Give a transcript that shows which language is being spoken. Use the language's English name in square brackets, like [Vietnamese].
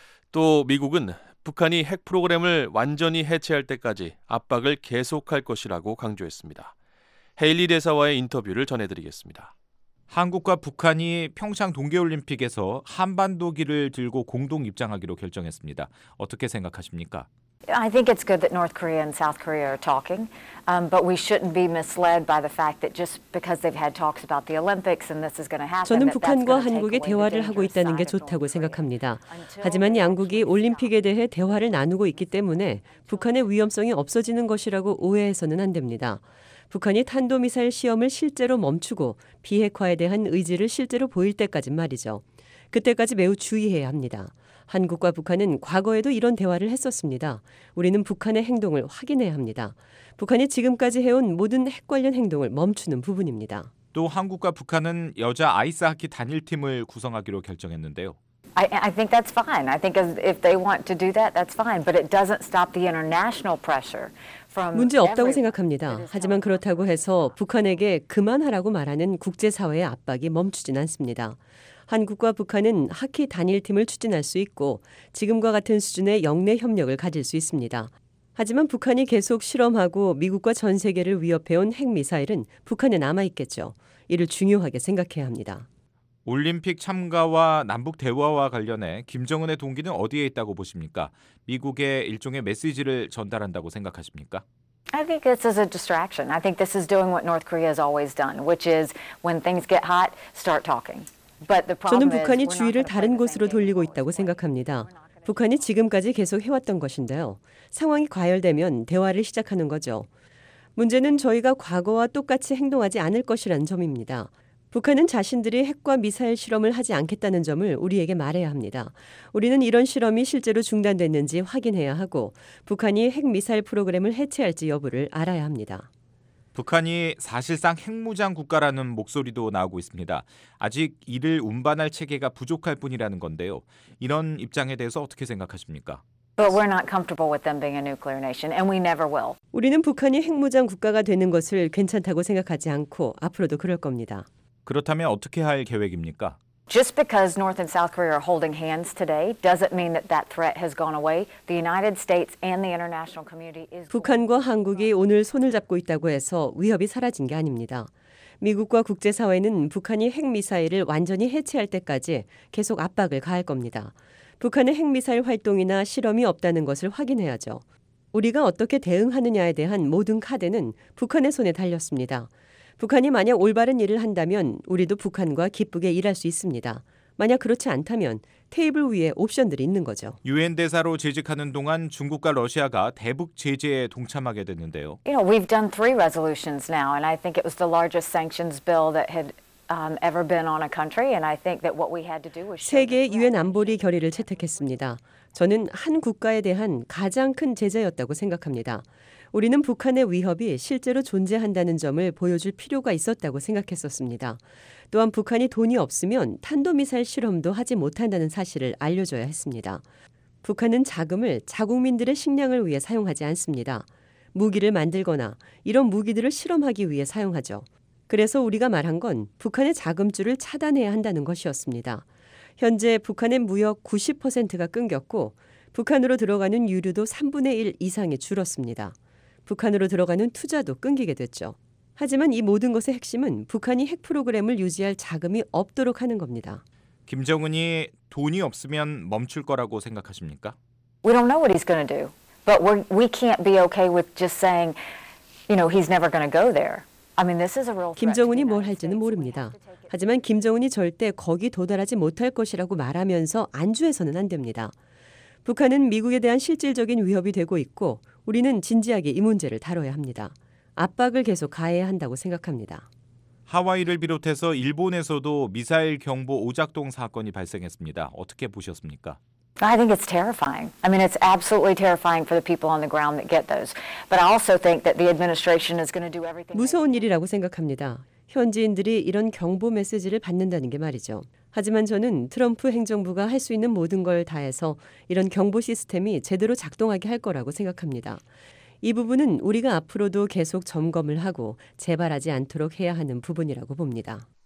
[Korean] 또 미국은 북한이 핵 프로그램을 완전히 해체할 때까지 압박을 계속할 것이라고 강조했습니다. 헤일리 대사와의 인터뷰를 전해드리겠습니다. 한국과 북한이 평창 동계올림픽에서 한반도기를 들고 공동 입장하기로 결정했습니다. 어떻게 생각하십니까? [English] I think it's good that North Korea and South Korea are talking, but we shouldn't be misled by the fact that just because they've had talks about the Olympics and this is going to happen. [Korean] 저는 북한과 한국의 대화를 하고 있다는 게 좋다고 생각합니다. 하지만 양국이 올림픽에 대해 대화를 나누고 있기 때문에 북한의 위험성이 없어지는 것이라고 오해해서는 안 됩니다. 북한이 탄도미사일 시험을 실제로 멈추고 비핵화에 대한 의지를 실제로 보일 때까지 말이죠. 그때까지 매우 주의해야 합니다. 한국과 북한은 과거에도 이런 대화를 했었습니다. 우리는 북한의 행동을 확인해야 합니다. 북한이 지금까지 해온 모든 핵 관련 행동을 멈추는 부분입니다. 또 한국과 북한은 여자 아이스하키 단일팀을 구성하기로 결정했는데요. [English] I think that's fine. I think if they want to do that, that's fine. But it doesn't stop the international pressure. [Korean] 문제 없다고 생각합니다. 하지만 그렇다고 해서 북한에게 그만하라고 말하는 국제사회의 압박이 멈추진 않습니다. 한국과 북한은 하키 단일팀을 추진할 수 있고 지금과 같은 수준의 역내 협력을 가질 수 있습니다. 하지만 북한이 계속 실험하고 미국과 전 세계를 위협해온 핵미사일은 북한에 남아있겠죠. 이를 중요하게 생각해야 합니다. 올림픽 참가와 남북 대화와 관련해 김정은의 동기는 어디에 있다고 보십니까? 미국에 일종의 메시지를 전달한다고 생각하십니까? [English] I think this is a distraction. I think this is doing what North Korea has always done, which is when things get hot, start talking. But the problem [Korean] 저는 북한이 주의를 다른 곳으로 돌리고 있다고 생각합니다. 북한이 지금까지 계속 해왔던 것인데요. 상황이 과열되면 대화를 시작하는 거죠. 문제는 저희가 과거와 똑같이 행동하지 않을 것이라는 점입니다. 북한은 자신들이 핵과 미사일 실험을 하지 않겠다는 점을 우리에게 말해야 합니다. 우리는 이런 실험이 실제로 중단됐는지 확인해야 하고 북한이 핵미사일 프로그램을 해체할지 여부를 알아야 합니다. 북한이 사실상 핵무장 국가라는 목소리도 나오고 있습니다. 아직 이를 운반할 체계가 부족할 뿐이라는 건데요. 이런 입장에 대해서 어떻게 생각하십니까? [English] But we're not comfortable with them being a nuclear nation, and we never will. [Korean] 우리는 북한이 핵무장 국가가 되는 것을 괜찮다고 생각하지 않고 앞으로도 그럴 겁니다. 그렇다면 어떻게 할 계획입니까? [English] Just because North and South Korea are holding hands today doesn't mean that that threat has gone away. The United States and the international community is [Korean] 북한과 한국이 오늘 손을 잡고 있다고 해서 위협이 사라진 게 아닙니다. 미국과 국제 사회는 북한이 핵 미사일을 완전히 해체할 때까지 계속 압박을 가할 겁니다. 북한의 핵 미사일 활동이나 실험이 없다는 것을 확인해야죠. 우리가 어떻게 대응하느냐에 대한 모든 카드는 북한의 손에 달렸습니다. 북한이 만약 올바른 일을 한다면 우리도 북한과 기쁘게 일할 수 있습니다. 만약 그렇지 않다면 테이블 위에 옵션들이 있는 거죠. 유엔 대사로 재직하는 동안 중국과 러시아가 대북 제재에 동참하게 됐는데요. [English] You know, we've done three resolutions now and I think it was the largest sanctions bill that had ever been on a country and I think that what we had to do was [Korean] 세계 유엔 안보리 결의를 채택했습니다. 저는 한 국가에 대한 가장 큰 제재였다고 생각합니다. 우리는 북한의 위협이 실제로 존재한다는 점을 보여줄 필요가 있었다고 생각했었습니다. 또한 북한이 돈이 없으면 탄도미사일 실험도 하지 못한다는 사실을 알려줘야 했습니다. 북한은 자금을 자국민들의 식량을 위해 사용하지 않습니다. 무기를 만들거나 이런 무기들을 실험하기 위해 사용하죠. 그래서 우리가 말한 건 북한의 자금줄을 차단해야 한다는 것이었습니다. 현재 북한의 무역 90%가 끊겼고 북한으로 들어가는 유류도 3분의 1 이상이 줄었습니다. 북한으로 들어가는 투자도 끊기게 됐죠. 하지만 이 모든 것의 핵심은 북한이 핵 프로그램을 유지할 자금이 없도록 하는 겁니다. 김정은이 돈이 없으면 멈출 거라고 생각하십니까? [English] We don't know what he's going to do. But we can't be okay with just saying, you know, he's never going to go there. I mean, this is a real threat. [Korean] 김정은이 뭘 할지는 모릅니다. 하지만 김정은이 절대 거기 도달하지 못할 것이라고 말하면서 안주해서는 안 됩니다. 북한은 미국에 대한 실질적인 위협이 되고 있고 우리는 진지하게 이 문제를 다뤄야 합니다. 압박을 계속 가해야 한다고 생각합니다. 하와이를 비롯해서 일본에서도 미사일 경보 오작동 사건이 발생했습니다. 어떻게 보셨습니까? [English] I think it's terrifying. I mean, it's absolutely terrifying for the people on the ground that get those. But I also think that the administration is going to do everything. [Korean] 무서운 일이라고 생각합니다. 현지인들이 이런 경보 메시지를 받는다는 게 말이죠. 하지만 저는 트럼프 행정부가 할 수 있는 모든 걸 다해서 이런 경보 시스템이 제대로 작동하게 할 거라고 생각합니다. 이 부분은 우리가 앞으로도 계속 점검을 하고 재발하지 않도록 해야 하는 부분이라고 봅니다.